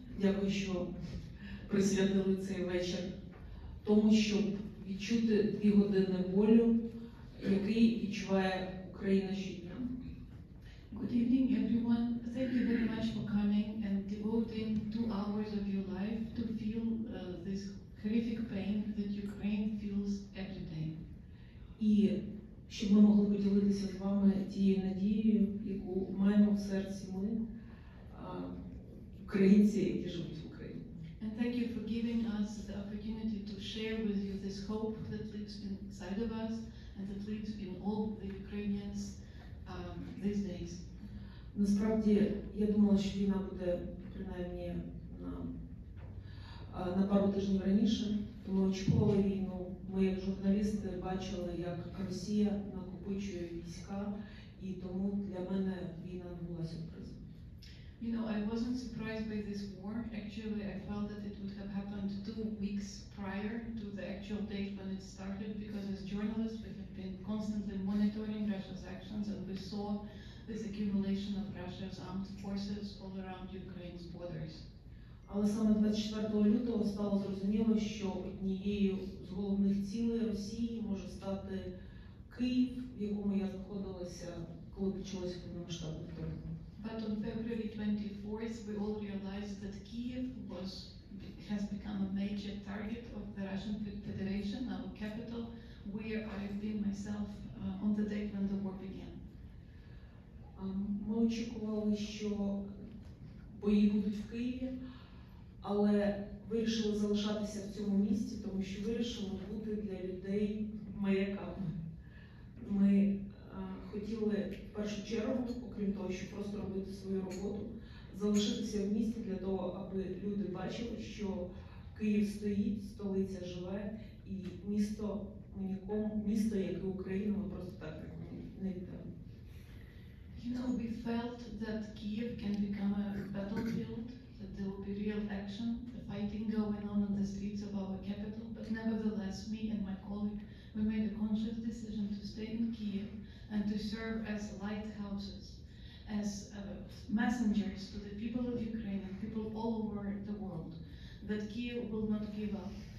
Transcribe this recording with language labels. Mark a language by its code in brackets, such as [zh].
[uk] Дякую, що присвятили цей вечір тому, щоб відчути дві години болю, який відчуває Україна щодня. [en] Good evening, everyone. Thank you very much for coming and devoting 2 hours of your life to feel this horrific pain that Ukraine feels every day. [uk] І щоб ми могли поділитися з вами тією надією, яку маємо в серці ми, українці, які живуть в Україні. [en] And thank you for giving us the opportunity to share with you this hope that lives inside of us and that lives in all the Ukrainians these days. [uk] Насправді, я думала, що війна буде принаймні на пару тижнів раніше, тому очікувала війну. Ми як журналісти бачили, як Росія накопичує війська, і тому для мене війна була сюрпризом. [en] You know, I wasn't surprised by this war. Actually, I felt that it would have happened 2 weeks prior to the actual date when it started, because as journalists, we have been constantly monitoring Russia's actions, and we saw this accumulation of Russia's armed forces all around Ukraine's borders. [uk] Але саме 24 лютого стало зрозуміло, що однією з головних цілей Росії може стати Київ, в якому я знаходилася, коли почалося повномасштабне вторгнення. [en] But on February 24th, we all realized that Kyiv has become a major target of the Russian Federation, our capital, where I've been myself on the date when the war began. [uk] Ми очікували, що бої будуть в Києві, але вирішили залишатися в цьому місці, тому що вирішили бути для людей маяками. Ми хотіли в першу чергу, окрім того, щоб просто робити свою роботу, залишитися в місті для того, аби люди бачили, що Київ стоїть, столиця живе, і місто ми нікому, місто, як і Україна, ми просто так не віддали. [en] You know, we felt that Kyiv can become a battlefield, that there will be real action, the fighting going on the streets of our capital, but nevertheless, me and my colleague, we made a conscious decision to stay in Kyiv and to serve as lighthouses, as messengers to the people of Ukraine and people all over the world, that Kyiv will not give up,